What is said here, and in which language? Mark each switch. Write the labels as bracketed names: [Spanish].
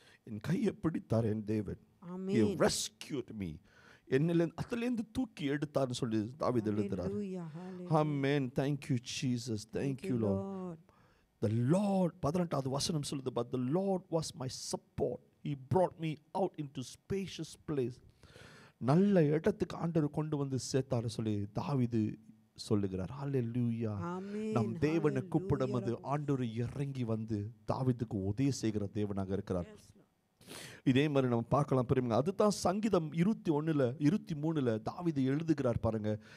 [Tamil] என் கையை பிடித்தார் என் தேவன். [English] He rescued me. [Tamil] என்னிலிருந்து அதிலிருந்து தூக்கி எடுத்தார்னு சொல்லி தாவீது எழுதுறார். ஆமென். [English] Thank you Jesus. Thank you Lord. The Lord, [Tamil] 18 வசனம் சொல்லுது, [English] But the Lord was my support. He brought me out into spacious place. [Tamil] நல்ல இடத்துக்கு ஆண்டவர் கொண்டு வந்து சேர்த்தார் சொல்லி தாவீது சொல்லுகிறார். ஹல்லேலூயா. நம் தேவனை கூப்பிடும்போது ஆண்டவர் இறங்கி வந்து தாவீதுக்கு உதவி செய்கிற தேவனாக இருக்கிறார். இதே மாதிரி நம்ம பார்க்கலாம் பெரியவங்க. அதுதான் சங்கீதம் 21-23 தாவீது எழுதுகிறார் பாருங்க.